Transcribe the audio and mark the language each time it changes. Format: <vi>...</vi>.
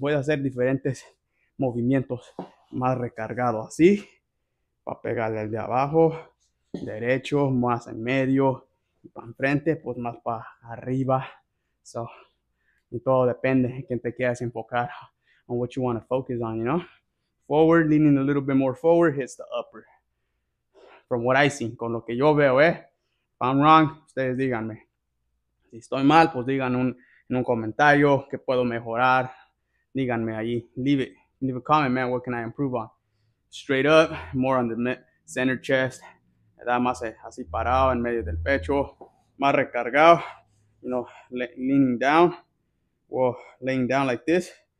<es>Voy a hacer diferentes movimientos más recargado así. Para pegarle al de abajo. Derecho, más en medio. Y para enfrente, pues más para arriba. So, y todo depende de quien te quieras enfocar.</es> <en>On what you want to focus on, you know? Forward, leaning a little bit more forward, hits the upper. From what I see,</en> <es>con lo que yo veo, eh?</es> <en>If I'm wrong,</en> <es>ustedes díganme. Si estoy mal, pues digan en un comentario que puedo mejorar. Díganme ahí.</es> <en>Leave a comment, man. What can I improve on? Straight up, more on the center chest. ¿Verdad?</en> <es>Más así parado en medio del pecho. Más recargado.</es> <en>You know, leaning down. Well, laying down like this.</en>